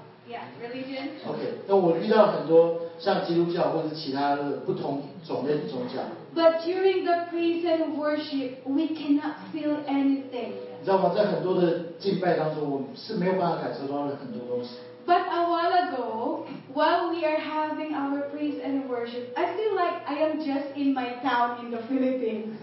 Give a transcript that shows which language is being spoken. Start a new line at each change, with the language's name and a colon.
English: But during the praise and worship, we cannot feel anything.
Chinese: 你知道吗？在很多的敬拜当中，我们是没有办法感受到很多东西。
English: But a while ago, while we are having our praise and worship, I feel like I am just in my town in the Philippines.